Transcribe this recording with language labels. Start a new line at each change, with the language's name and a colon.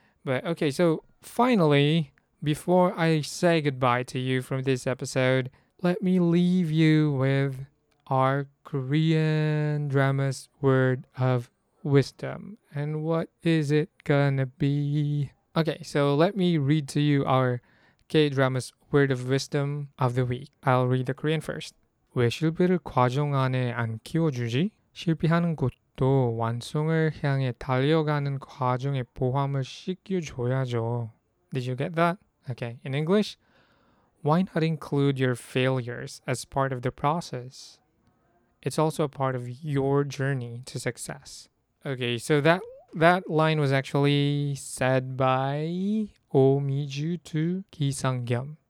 English: But okay, so finally, before I say goodbye to you from this episode, let me leave you with our Korean drama's word of wisdom. And what is it gonna be? Okay, so let me read to you our K-drama's word of wisdom of the week. I'll read the Korean first.
Korean: 왜 실패를 과정 안에 안 키워주지? 실패하는 것도 완성을 향해 달려가는 과정에 보함을 시켜줘야죠.
English: Did you get that? Okay, in English, why not include your failures as part of the process? It's also a part of your journey to success. Okay, so that line was actually said by Oh Mi-ju to Ki Sang-kyum.